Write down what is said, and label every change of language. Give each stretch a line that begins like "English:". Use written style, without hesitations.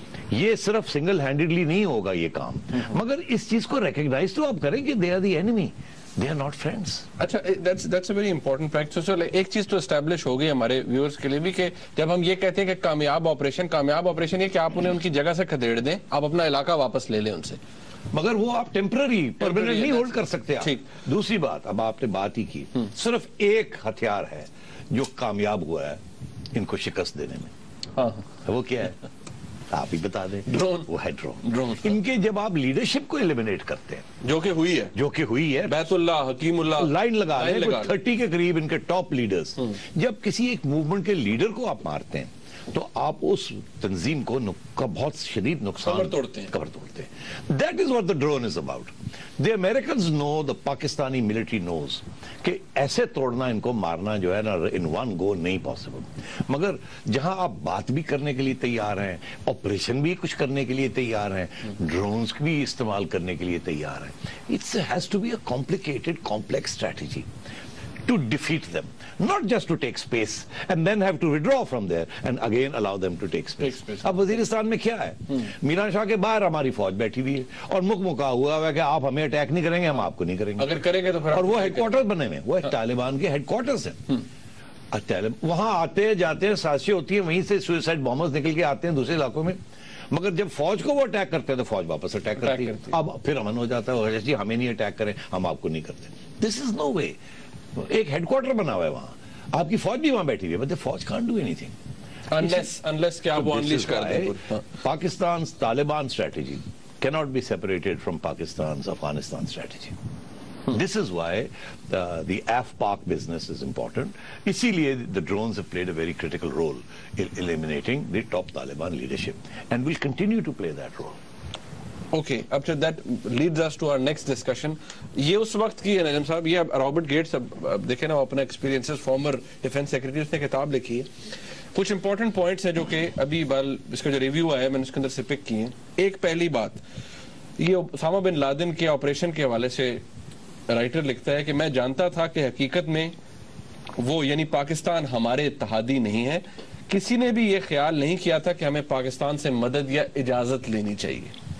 Urdu: یہ صرف single handedly نہیں ہوگا یہ کام, مگر اس چیز کو ریکگنائز تو آپ کریں کہ
English: They are the enemy, they are not friends. اچھا, that's a very important fact.
Urdu: سو ایک چیز تو اسٹیبلش ہو گئی ہمارے ویورز کے لیے بھی, کہ جب ہم یہ کہتے ہیں کہ کامیاب آپریشن یہ کہ آپ انہیں ان کی جگہ سے کھدیڑ دیں, آپ اپنا علاقہ واپس لے لیں ان سے, مگر وہ آپ ٹیمپرری پرماننٹلی ہولڈ کر سکتے ہیں. ٹھیک, دوسری بات, اب آپ نے بات ہی کی, صرف ایک ہتھیار ہے جو کامیاب ہوا ہے ان کو شکست دینے میں. ہاں, وہ کیا ہے آپ ہی بتا دیں. ڈرون. وہ ہے ڈرون. ڈرون ان کے, جب آپ لیڈرشپ کو ایلیمینیٹ کرتے ہیں, جو کہ ہوئی ہے بیت اللہ, حکیم اللہ, لائن لگا رہے ہیں 30 کے قریب ان کے ٹاپ لیڈرز, جب کسی ایک موومنٹ کے لیڈر کو آپ مارتے ہیں تو آپ اس تنظیم کو بہت شدید نقصان, قبر توڑتے ہیں.
English: That is what the drone is about. The Americans know, the Pakistani military knows,
Urdu: کہ ایسے توڑنا, ان کو مارنا جو ہے نا
English: in one go نہیں possible.
Urdu: مگر جہاں آپ بات بھی کرنے کے لیے تیار ہیں, آپریشن بھی کچھ کرنے کے لیے تیار ہیں, ڈرونز بھی استعمال کرنے کے لیے تیار ہیں,
English: it has to be a complicated, complex strategy to defeat them. Not just to take space and then have to withdraw from there and again allow them to take space.
Urdu: اب وزیرستان میں کیا ہے, میران شاہ کے باہر ہماری فوج بیٹھی ہوئی ہے اور مک مکا ہوا ہے کہ آپ ہمیں اٹیک نہیں کریں گے, ہم آپ کو نہیں کریں گے. اگر کریں گے تو پھر, اور وہ ہیڈ کوارٹر بنے ہوئے, وہ طالبان کے ہیڈ کوارٹرز ہیں. وہاں آتے ہیں جاتے ہیں, سازشیں ہوتی ہیں, وہیں سے سوئسائڈ بامبرز نکل کے آتے ہیں دوسرے علاقوں میں. مگر جب فوج کو وہ اٹیک کرتے ہیں تو فوج واپس اٹیک کرتی ہے، اب پھر امن ہو جاتا ہے، جی ہمیں نہیں اٹیک کریں، ہم آپ کو نہیں کرتے.
English: This is no way.
Urdu: ایک ہیڈ کوارٹر بنا ہوا ہے وہاں، آپ کی فوج بھی وہاں بیٹھی ہوئی ہے، مطلب فوج
English: can't do anything
Urdu: unless کہ آپ وہ انلیش کر دیں.
English: Pakistan Taliban strategy can not be separated from Pakistan Afghanistan strategy. This is why the AFPAC business is important.
Urdu: اسی لیے
English: the drones have played a very critical role in eliminating the top Taliban leadership and will continue to play that role. Okay, after that leads us to our next discussion.
Urdu: یہ اس وقت کی ہے نجم صاحب، یہ Robert Gates دیکھیں نا اپنا experiences, farmer defence secretary, اس نے کتاب لکھی ہے. کچھ امپورٹنٹ پوائنٹس ہیں جو کہ ابھی بال اس کا جو ریویو آیا ہے میں نے اس کے اندر سے پک کی ہیں. ایک پہلی بات، یہ اسامہ بن لادن کے آپریشن کے حوالے سے رائٹر لکھتا ہے کہ میں جانتا تھا کہ حقیقت میں وہ یعنی پاکستان ہمارے اتحادی نہیں ہے، کسی نے بھی یہ خیال نہیں کیا تھا کہ ہمیں پاکستان سے مدد یا اجازت لینی چاہیے.